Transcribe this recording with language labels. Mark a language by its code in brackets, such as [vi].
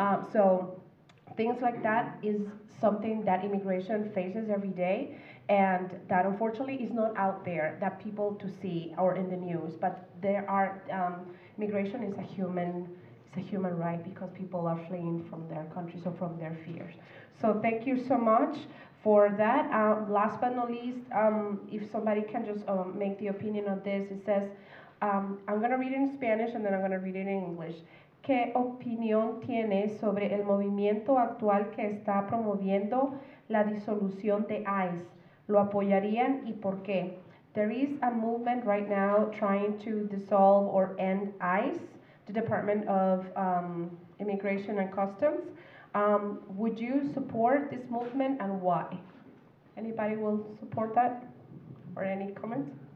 [en] So things like that is something that immigration faces every day, and that unfortunately is not out there that people to see or in the news, but there are, immigration is a human right because people are fleeing from their countries or from their fears. So thank you so much for that. Last but not least, if somebody can just make the opinion on this, it says, I'm gonna read it in Spanish and then I'm gonna read it in English. [es] ¿Qué opinión tiene sobre el movimiento actual que está promoviendo la disolución de ICE? ¿Lo apoyarían y por qué? [en] There is a movement right now trying to dissolve or end ICE, the Department of Immigration and Customs. Would you support this movement and why? Anybody will support that? Or any comment?